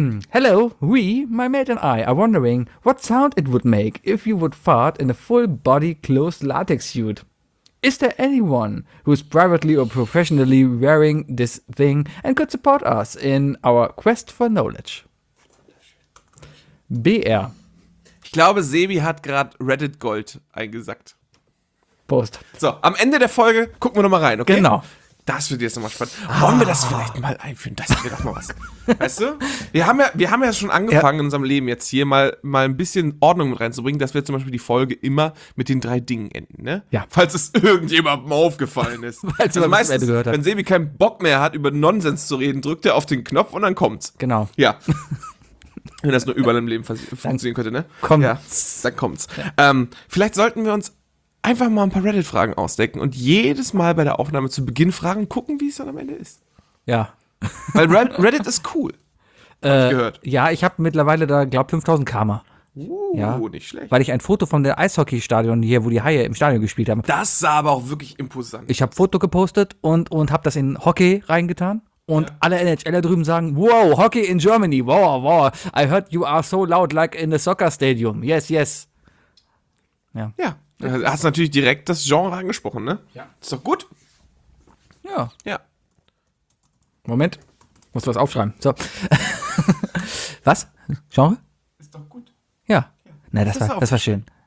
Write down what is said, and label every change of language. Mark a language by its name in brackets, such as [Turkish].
[English] Hello, we, my mate and I, are wondering what sound it would make if you would fart in a full-body closed latex suit. Is there anyone who is privately or professionally wearing this thing and could support us in our quest for knowledge? BR. [German] Ich glaube, Sebi hat gerade Reddit Gold eingesackt. Post. So, am Ende der Folge gucken wir nochmal rein, okay? Genau. Das wird jetzt nochmal spannend. Ah. Wollen wir das vielleicht mal einführen? Das wäre doch mal was. Weißt du? Wir haben ja schon angefangen, ja, in unserem Leben jetzt hier mal ein bisschen Ordnung mit reinzubringen, dass wir zum Beispiel die Folge immer mit den drei Dingen enden, ne? Ja. Falls es irgendjemandem aufgefallen ist. Falls also meistens, gehört hat. Wenn Sebi keinen Bock mehr hat, über Nonsens zu reden, drückt er auf den Knopf und dann kommt's. Genau. Ja. Wenn das nur überall im Leben funktionieren könnte, ne? Kommt's. Ja, dann kommt's. Ja. Vielleicht sollten wir uns einfach mal ein paar Reddit-Fragen ausdecken und jedes Mal bei der Aufnahme zu Beginn fragen, gucken, wie es dann am Ende ist. Ja. Weil Reddit ist cool. Hab ich gehört. Ja, ich habe mittlerweile da, glaube ich, 5000 Karma. Ja, nicht schlecht. Weil ich ein Foto von dem Eishockeystadion hier, wo die Haie im Stadion gespielt haben. Das sah aber auch wirklich imposant. Ich habe Foto gepostet und habe das in Hockey reingetan. Und alle NHLer drüben sagen, wow, [English] Hockey in Germany, [German] wow, wow. [English] I heard you are so loud like in a soccer stadium. Yes, yes. [German] Ja. Ja, du hast natürlich direkt das Genre angesprochen, ne? Ja. Ist doch gut. Ja. Ja. Moment, muss was aufschreiben. So. Was? Genre? Ist doch gut. Ja. Nein, das war schön.